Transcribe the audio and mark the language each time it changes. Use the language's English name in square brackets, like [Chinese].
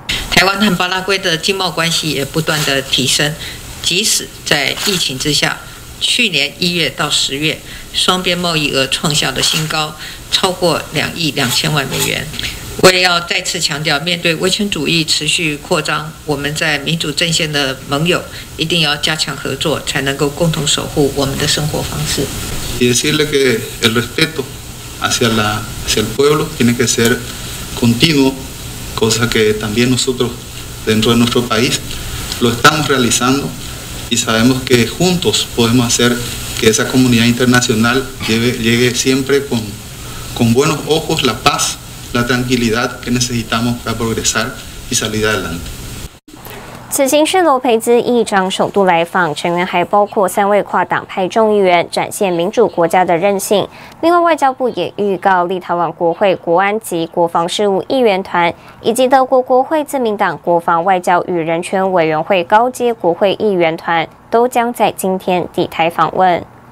[Chinese] 台湾和巴拉圭的经贸关系也不断的提升，即使在疫情之下，去年一月到十月，双边贸易额创下了新高，超过2亿2000万美元。我也要再次强调，面对威权主义持续扩张，我们在民主阵线的盟友一定要加强合作，才能够共同守护我们的生活方式。 [Spanish] Y decirle que el respeto hacia el pueblo tiene que ser continuo. Cosa que también nosotros dentro de nuestro país lo estamos realizando y sabemos que juntos podemos hacer que esa comunidad internacional llegue siempre con buenos ojos la paz, la tranquilidad que necesitamos para progresar y salir adelante. [Chinese] 此行是罗佩兹议长首度来访，成员还包括三位跨党派众议员，展现民主国家的韧性。另外，外交部也预告立陶宛国会国安及国防事务议员团以及德国国会自民党国防外交与人权委员会高阶国会议员团都将在今天抵台访问。